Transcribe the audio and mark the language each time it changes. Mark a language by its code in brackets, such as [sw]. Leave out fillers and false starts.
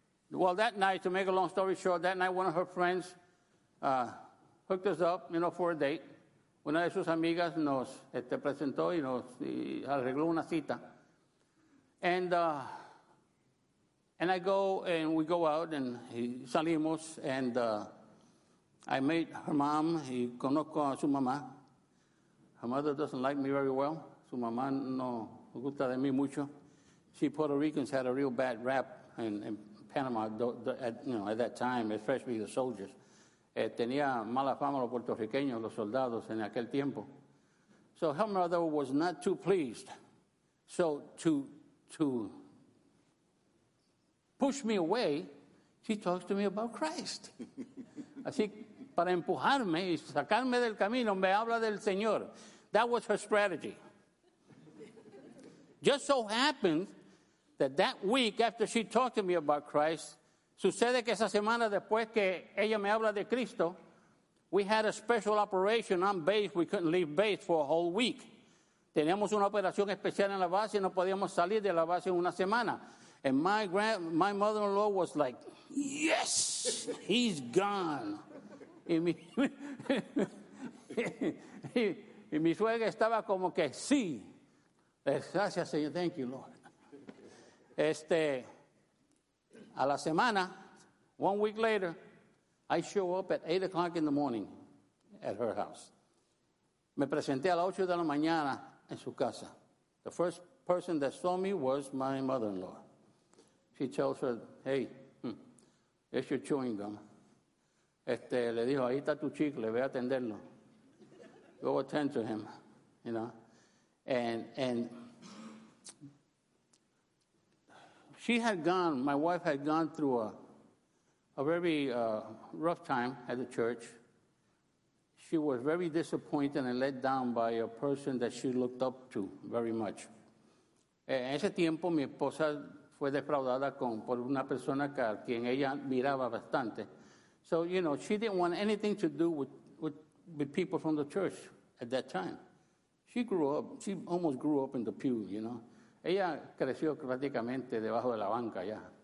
[en] Well, that night, to make a long story short, that night one of her friends hooked us up, you know, for a date. [es] Una de sus amigas nos presentó y nos arregló una cita. [en] And I go and we go out and [es] salimos [en] and... I met her mom, [es] y conozco a su mamá. [en] Her mother doesn't like me very well. [es] Su mamá no gusta de mí mucho. [en] She Puerto Ricans had a real bad rap in Panama at that time, especially the soldiers. [es] Tenía mala fama los puertorriqueños, los soldados en aquel tiempo. [en] So her mother was not too pleased. So to push me away, she talks to me about Christ. [es] Así para empujarme y sacarme del camino, me habla del Señor. [en] That was her strategy. Just so happened that week after she talked to me about Christ, [es] sucede que esa semana después que ella me habla de Cristo, [en] we had a special operation on base. We couldn't leave base for a whole week. [es] Teníamos una operación especial en la base y no podíamos salir de la base en una semana. [en] And my mother-in-law was like, yes, he's gone. [es] Y mi suegra estaba como que, sí. Gracias, Señor. [en] Thank you, Lord. [es] A la semana, [en] 1 week later, I show up at 8 o'clock in the morning at her house. [es] Me presenté a las 8 de la mañana en su casa. [en] The first person that saw me was my mother-in-law. She tells her, hey, it's your chewing gum. [es] Le dijo, ahí está tu chicle, ve a atenderlo. [en] Go attend to him, you know. And she had gone, my wife had gone through a very rough time at the church. She was very disappointed and let down by a person that she looked up to very much. [es] En ese tiempo, mi esposa fue defraudada por una persona a quien ella miraba bastante. [en] So, you know, she didn't want anything to do with people from the church at that time. She almost grew up in the pew, you know. [es] Ella creció prácticamente debajo de la banca ya.